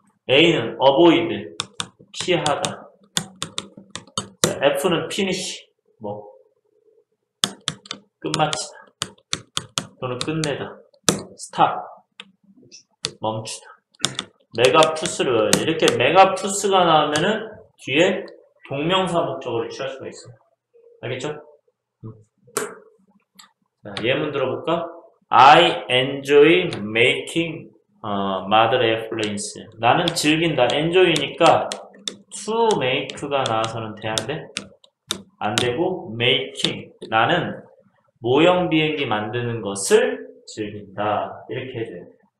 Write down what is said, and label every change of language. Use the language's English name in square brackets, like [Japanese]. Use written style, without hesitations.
[Korean] A는 avoid, 피하다. 자, F는 finish, 뭐? 끝마치다. 또는 끝내다, stop, 멈추다. 메가푸스를 외워야지. 이렇게 메가푸스가 나오면은 뒤에 동명사 목적으로 취할 수가 있어. 알겠죠? 자, 예문 들어볼까? [English] I enjoy making mother airplanes. [Korean] 나는 즐긴다. enjoy니까 to make가 나와서는 돼야 돼? 안 되고 making. 나는 모형 비행기 만드는 것을 즐긴다. 이렇게 해줘야 돼.